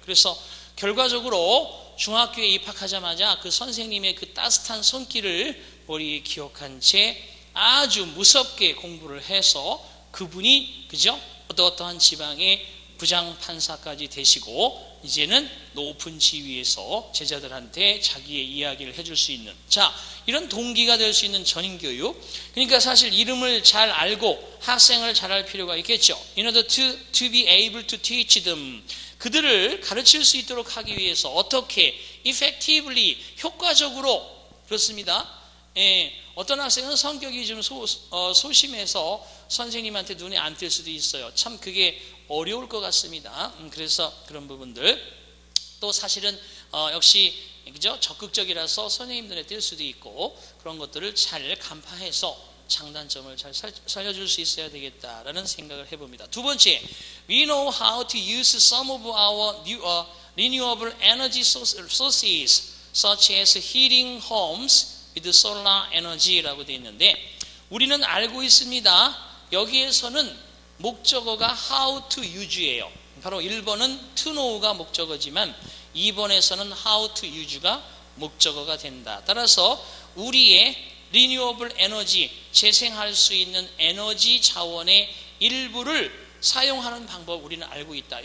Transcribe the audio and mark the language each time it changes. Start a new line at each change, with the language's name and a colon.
Korean: 그래서 결과적으로 중학교에 입학하자마자 그 선생님의 그 따뜻한 손길을 머리에 기억한 채 아주 무섭게 공부를 해서 그분이 그죠? 어떠어떠한 지방의 부장판사까지 되시고 이제는 높은 지위에서 제자들한테 자기의 이야기를 해줄 수 있는 자 이런 동기가 될 수 있는 전인교육. 그러니까 사실 이름을 잘 알고 학생을 잘 알 필요가 있겠죠.
English: In order to be able to teach them.
Korean: 그들을 가르칠 수 있도록 하기 위해서 어떻게
English: effectively,
Korean: 효과적으로 그렇습니다. 예, 어떤 학생은 성격이 좀 소심해서 선생님한테 눈에 안 띌 수도 있어요. 참 그게 어려울 것 같습니다. 그래서 그런 부분들 또 사실은 역시 그죠? 적극적이라서 선생님들에 띌 수도 있고 그런 것들을 잘 간파해서 장단점을 잘 살려줄 수 있어야 되겠다라는 생각을 해봅니다.
English: 두 번째, We know how to use some of our renewable energy sources such as heating homes with solar energy
Korean: 라고 되어 있는데 우리는 알고 있습니다. 여기에서는 목적어가 how to use예요. 바로 1번은 to know가 목적어지만 2번에서는 how to use가 목적어가 된다. 따라서 우리의
English: renewable energy,
Korean: 재생할 수 있는 에너지 자원의 일부를 사용하는 방법 우리는 알고 있다.